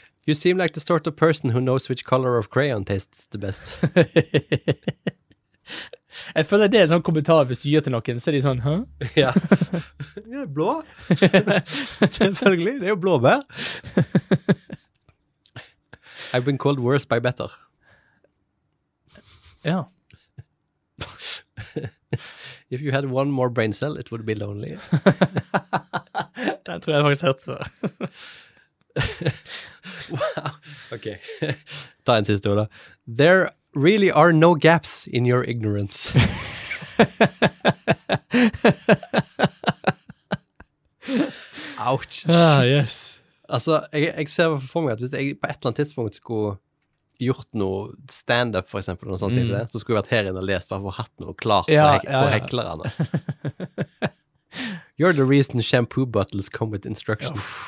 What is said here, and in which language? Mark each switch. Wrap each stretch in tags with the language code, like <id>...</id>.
<en>You seem like the sort of person who knows which color of crayon tastes the best.</en> <no>Jeg føler det er en sånn kommentar hvis du gir til noen, så er de sånn, hæ? Ja. Det er blå. Selvfølgelig, det er jo blå bær.</no> <en>I've been called worse by better.</en> <no>Ja.</no> <en>If you had one more brain cell, it would be lonely.</en> <no>Den tror jeg faktisk hørt før. Wow. Ok. Ta en siste, Ola.</no> <en>There really are no gaps in your ignorance. Ouch. Shit. Ah, yes.</en> <no>Altså, jeg ser for meg at hvis jeg på et eller annet tidspunkt skulle gjort noe stand-up, for eksempel, noe sånt, så skulle jeg vært her inne og lest, bare for å ha hatt noe klart for heklerne.</no> <en>You're the reason shampoo bottles come with instructions.</en>